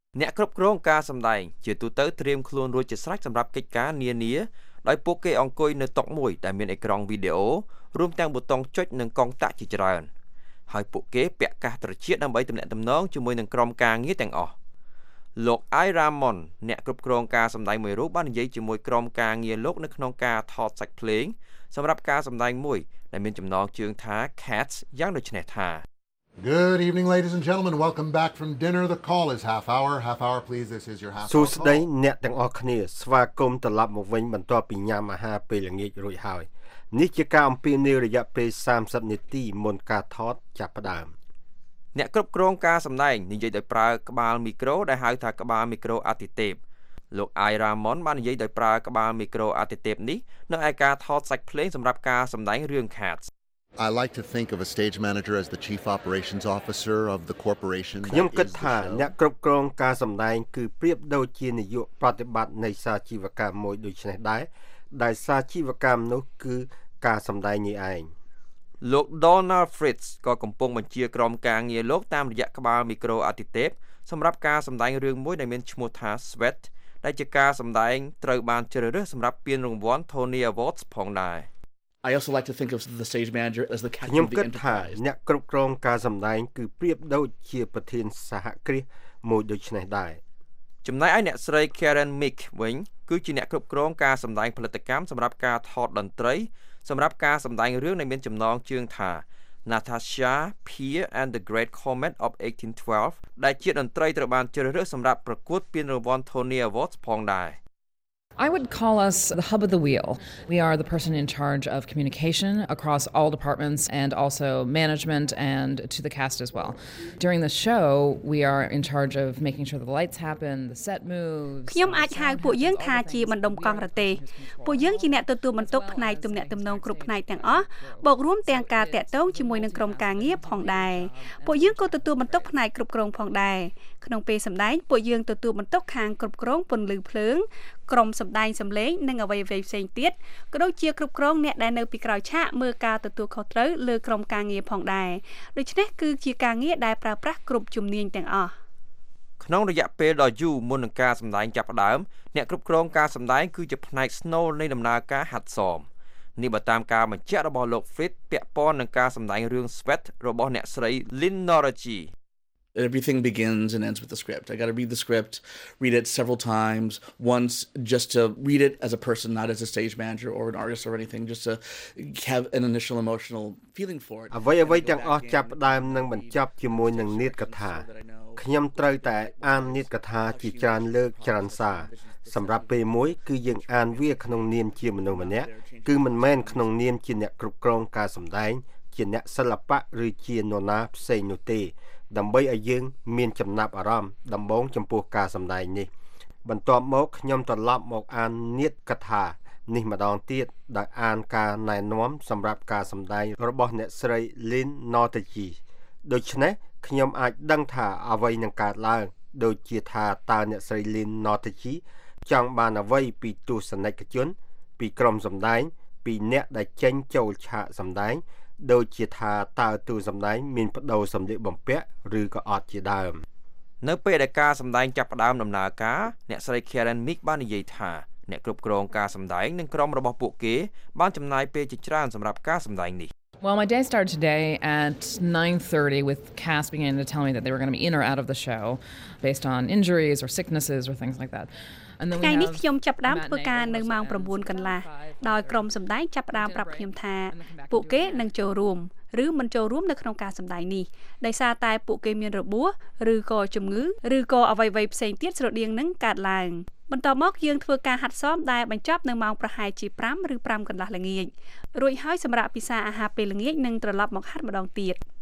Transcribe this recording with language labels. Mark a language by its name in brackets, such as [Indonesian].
[Khmer] អ្នកគ្រប់គ្រងការសម្ដែងជាទូទៅត្រៀមខ្លួនរួចជាស្រេចសម្រាប់កិច្ចការនានាដោយពួកគេអង្គុយនៅតុមួយដែលមានអេក្រង់វីដេអូរួមទាំងប៊ូតុងចុចនិងកង់តាក់ជាច្រើនហើយពួកគេពាក់កាសត្រជាដើម្បីទំនាក់ទំនងជាមួយនឹងក្រុមការងារទាំងអស់លោកអៃរ៉ាម៉ុនអ្នកគ្រប់គ្រងការសម្ដែងមួយរូបបាននិយាយជាមួយក្រុមការងារលោកនៅក្នុងការថតសាច់ភ្លេងសម្រាប់ការសម្ដែងមួយដែលមានចំណងជើងថា Cats យ៉ាងដូចនេះថា [English] Good evening, ladies and gentlemen. Welcome back from dinner. The call is half hour. Half hour, please. This is your half hour call. [Khmer] សួស្តីអ្នកទាំងអស់គ្នាស្វាគមន៍ត្រឡប់មកវិញបន្ទាប់ពីញ៉ាំអាហារពេលល្ងាចរួចហើយនេះជាការអំពាវនាវរយៈពេល30នាទីមុនការថតចាប់ផ្ដើម អ្នកគ្រប់គ្រងការសម្ដែងនិយាយដោយប្រើក្បាលមីក្រូដែលហៅថាក្បាលមីក្រូអតិទេពលោកអៃរ៉ាម៉ុនបាននិយាយដោយប្រើក្បាលមីក្រូអតិទេពនេះនៅឯការថតសាច់ភ្លេងសម្រាប់ការសម្ដែងរឿង Cats. [English] I like to think of a stage manager as the chief operations officer of the corporation. [Khmer] ខ្ញុំគិតថាអ្នកគ្រប់គ្រងការសម្ដែងគឺប្រៀបដូចជានាយកប្រតិបត្តិនៃសាជីវកម្មមួយដូចនេះដែរដែលសាជីវកម្មនោះគឺការសម្ដែងនេះឯង លោក Donald Fritz ក៏កំពុងបញ្ជាក្រុមការងារលោកតាមរយៈក្បាលមីក្រូអតិទេពសម្រាប់ការសម្ដែងរឿងមួយដែលមានឈ្មោះថា Sweat ដែលជាការសម្ដែងត្រូវបានជ្រើសរើសសម្រាប់ពានរង្វាន់ Tony Awards ផងដែរ [English] I also like to think of the stage manager as the captain of the enterprise. [Khmer] អ្នកគ្រប់គ្រងការសម្ដែងគឺប្រៀបដូចជាប្រធានសហគ្រាសមួយដូចនេះដែរ ចំណែកឯអ្នកស្រី Karen Mick វិញគឺជាអ្នកគ្រប់គ្រងការសម្ដែងផលិតកម្មសម្រាប់ការថតតន្ត្រីសម្រាប់ការសម្ដែងរឿងដែលមានចំណងជើងថា Natasha Pier and the Great Comet of 1812 ដែលជាតន្ត្រីត្រូវបានជ្រើសរើសសម្រាប់ប្រកួតពានរង្វាន់ Tony Awards ផងដែរ [English] I would call us the hub of the wheel. We are the person in charge of communication across all departments and also management and to the cast as well. During the show, we are in charge of making sure the lights happen, the set moves. [Khmer] ខ្ញុំអាចហៅពួកយើងថាជាបណ្ដុំកងរទេស។ពួកយើងជាអ្នកទទួលបន្ទុកផ្នែកទំនាក់ទំនងគ្រប់ផ្នែកទាំងអស់បូករួមទាំងការតាក់ទងជាមួយនឹងក្រុមការងារផងដែរ។ពួកយើងក៏ទទួលបន្ទុកផ្នែកគ្រប់គ្រងផងដែរ។ក្នុងពេលសម្ដែងពួកយើងទទួលបន្ទុកខាងគ្រប់គ្រងពន្លឺភ្លើងក្រុមសម្ដែងសម្លេងនិងអ្វីៗផ្សេងទៀតក៏ដូចជាគ្រប់គ្រងអ្នកដែលនៅពីក្រោយឆាកមើលការទទួលខុសត្រូវលើក្រុមការងារផងដែរដូច្នេះគឺជាការងារដែលប្រើប្រាស់គ្រប់ជំនាញទាំងអស់ក្នុងរយៈពេលដ៏យូរមុននឹងការសម្ដែងចាប់ផ្ដើមអ្នកគ្រប់គ្រងការសម្ដែងគឺជាផ្នែកស្នូលនៃដំណើរការហាត់សមនេះបើតាមការបញ្ជាក់របស់លោក Fritz ពាក់ព័ន្ធនឹងការសម្ដែងរឿង Sweat របស់អ្នកស្រី Lynn Norgi [English] Everything begins and ends with the script. I got to read the script, read it several times, once just to read it as a person, not as a stage manager or an artist or anything, just to have an initial emotional feeling for it. [Khmer] អ្វីអ្វីទាំងអស់ចាប់ផ្ដើមនឹងបញ្ចប់ជាមួយនឹងនាដកថាខ្ញុំត្រូវតែអាននាដកថាជាច្រើនលើកច្រើនសារសម្រាប់ពេលមួយគឺយើងអានវាក្នុងនាមជាមនុស្សម្នាក់គឺមិនមែនក្នុងនាមជាអ្នកគ្រប់គ្រងការសម្ដែងជាអ្នកសិល្បៈឬជានរណាផ្សេងនោះទេដើម្បីឲ្យយើងមានចំណាប់អារម្មណ៍ដំបូងចំពោះការសម្ដែងនេះ បន្ទាប់មកខ្ញុំត្រឡប់មកអាននាដកថានេះម្ដងទៀតដោយអានការណែនាំសម្រាប់ការសម្ដែងរបស់អ្នកស្រី Lynn Norgi ដូច្នេះខ្ញុំអាចដឹងថាអ្វីនឹងកើតឡើងដូចជាថាតើអ្នកស្រី Lynn Norgi ចង់បានអ្វីពីទស្សនិកជនពីក្រុមសម្ដែងពីអ្នកដែលចេញចូលឆាកសម្ដែងដូចជាថាតើទូសម្ដែងមានបដូរសម្លៀកបំពាក់ឬក៏អត់ជាដើម នៅពេលដែលការសម្ដែងចាប់ផ្ដើមដំណើរការអ្នកស្រី Karen Mick បាននិយាយថាអ្នកគ្រប់គ្រងការសម្ដែងនិងក្រុមរបស់ពួកគេបានចំណាយពេលជាច្រើនសម្រាប់ការសម្ដែងនេះ [English] Well my day started today at 9:30 with cast beginning to tell me that they were going to be in or out of the show based on injuries or sicknesses or things like that [Khmer] ថ្ងៃនេះខ្ញុំចាប់ផ្ដើមធ្វើការនៅម៉ោង9កន្លះដោយក្រុមសម្ដែងចាប់ផ្ដើមប្រាប់ខ្ញុំថាពួកគេនឹងចូលរួមឬមិនចូលរួមនៅក្នុងការសម្ដែងនេះដោយសារតែពួកគេមានរបួសឬក៏ជំងឺឬក៏អ្វីៗផ្សេងទៀតស្រដៀងនឹងកើតឡើងបន្ទាប់មកយើងធ្វើការហាត់សមដែលបញ្ចប់នៅម៉ោងប្រហែលជា5ឬ5កន្លះល្ងាចរួចហើយសម្រាប់ពិសារអាហារពេលល្ងាចនិងត្រឡប់មកហាត់ម្ដងទៀត